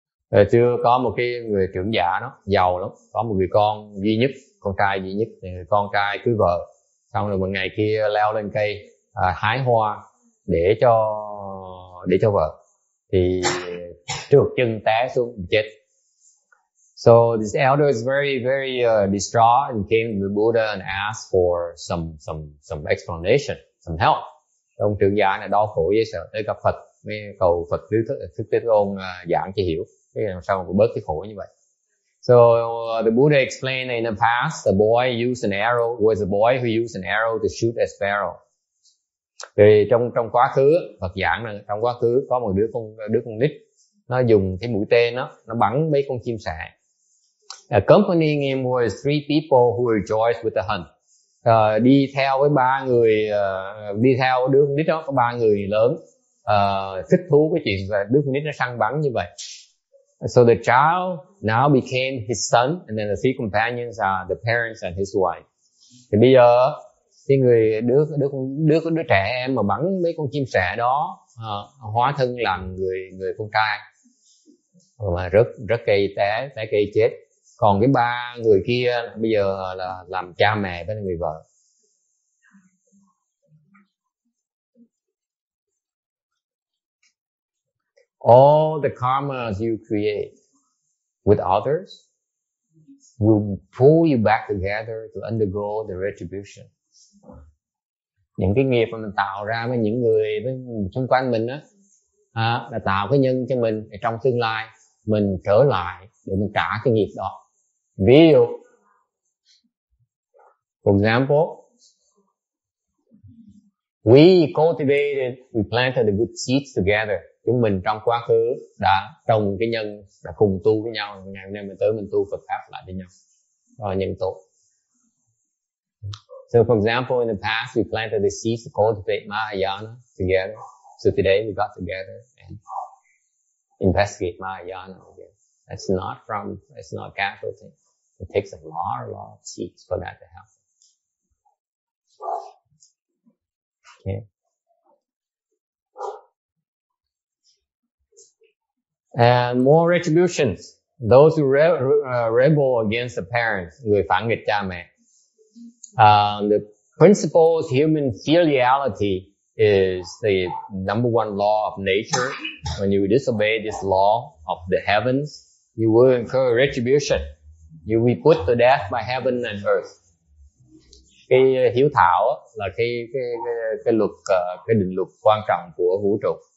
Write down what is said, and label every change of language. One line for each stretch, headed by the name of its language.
Vietnamese: Rồi chưa có một cái người trưởng giả đó, giàu lắm, có một người con duy nhất, con trai duy nhất, người con trai cưới vợ. Xong rồi một ngày kia leo lên cây hái hoa để cho vợ, thì trượt chân té xuống chết.
English: So this elder is very, very distraught and came to the Buddha and asked for some explanation, some help.
Vietnamese: Ông trưởng giả này đau khổ dễ sợ, tới gặp Phật, mới cầu Phật Thích Thế Tôn giảng cho hiểu, cái làm sao mà bớt cái khổ như vậy.
English: So the Buddha explained, in the past, the boy used an arrow, was a boy who used an arrow to shoot a sparrow.
Vietnamese: Thì trong quá khứ, Phật giảng là trong quá khứ có một đứa con nít, nó dùng cái mũi tên đó, nó bắn mấy con chim sẻ.
English: Accompanying him was three people who rejoiced with the hunt.
Vietnamese: Đi theo với ba người, đi theo đứa con nít đó có ba người lớn thích thú cái chuyện là đứa con nít nó săn bắn như vậy.
English: So the child now became his son, and then the three companions are the parents and his wife.
Vietnamese: Thì bây giờ cái người đứa trẻ em mà bắn mấy con chim sẻ đó hóa thân làm người con trai mà rất cây té cây chết. Còn cái ba người kia bây giờ là làm cha mẹ với người vợ.
English: All the karmas you create with others will pull you back together to undergo the retribution.
Vietnamese: Những cái nghiệp mà mình tạo ra với những người xung quanh mình á, là tạo cái nhân cho mình để trong tương lai mình trở lại để mình trả cái nghiệp đó. Ví dụ,
English: for example, we planted the good seeds together.
Vietnamese: Chúng mình trong quá khứ đã trồng cái nhân, đã cùng tu với nhau. Ngày hôm nay mình tới mình tu Phật pháp lại với nhau, rồi nhân tốt.
English: So for example, in the past we planted the seeds to cultivate Mahayana together. So today we got together and investigate Mahayana again. That's not from, it's not a casual thing. It takes a lot of seeds for that to happen. Okay. And more retributions. Those who rebel against the parents,
Vietnamese: người phản nghịch cha mẹ.
English: The principle of human filiality is the number one law of nature. When you disobey this law of the heavens, you will incur retribution. You will be put to death by heaven and earth.
Vietnamese: Cái hiếu thảo là cái định luật quan trọng của vũ trụ.